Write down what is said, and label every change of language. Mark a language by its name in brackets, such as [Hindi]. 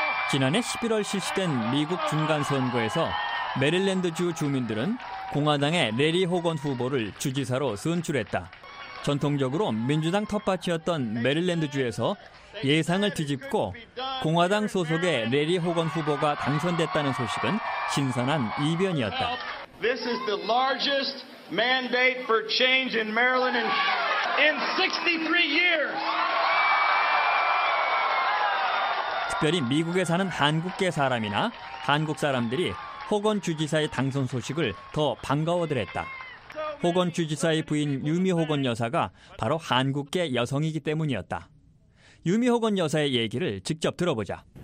[Korean] 지난해 11월 실시된 미국 중간선거에서 메릴랜드주 주민들은 공화당의 래리 호건 후보를 주지사로 선출했다. 전통적으로 민주당 텃밭이었던 메릴랜드주에서 예상을 뒤집고 공화당 소속의 래리 호건 후보가 당선됐다는 소식은 신선한 이변이었다. [English] This is the largest mandate for change in Maryland in 63 years. [Korean] 특별히 미국에 사는 한국계 사람이나 한국 사람들이 호건 주지사의 당선 소식을 더 반가워들 했다. 호건 주지사의 부인 유미 호건 여사가 바로 한국계 여성이기 때문이었다. 유미호건 여사의 얘기를 직접 들어보자.